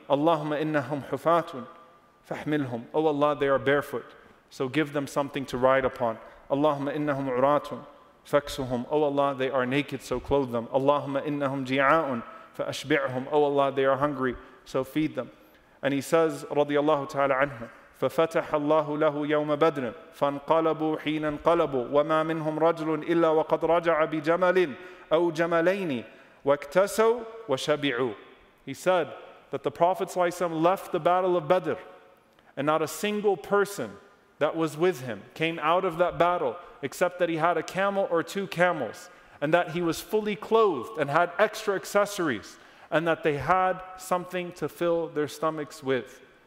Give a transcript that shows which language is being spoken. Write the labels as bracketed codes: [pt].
[ar] Allahumma innahum hufatun, fahmilhum. [en] O Allah, they are barefoot, so give them something to ride upon. [ar] Allahumma innahum uratun, faksuhum. [en] O Allah, they are naked, so clothe them. [ar] Allahumma innahum jia'un, faashbi'hum. [en] O Allah, they are hungry, so feed them. And he says, [ar] radiallahu ta'ala anhu, فَفَتَحَ اللَّهُ لَهُ يَوْمَ بَدْرٍ فَانْقَلَبُوا حِينَ انْقَلَبُوا وَمَا مِنْهُمْ رَجْلٌ إِلَّا وَقَدْ رَجَعَ بِجَمَلٍ أَوْ جَمَلَيْنِ وَاكْتَسَوْا وَشَبِعُوا. [en] He said that the Prophet ﷺ left the battle of Badr, and not a single person that was with him came out of that battle except that he had a camel or two camels, and that he was fully clothed and had extra accessories, and that they had something to fill their stomachs with.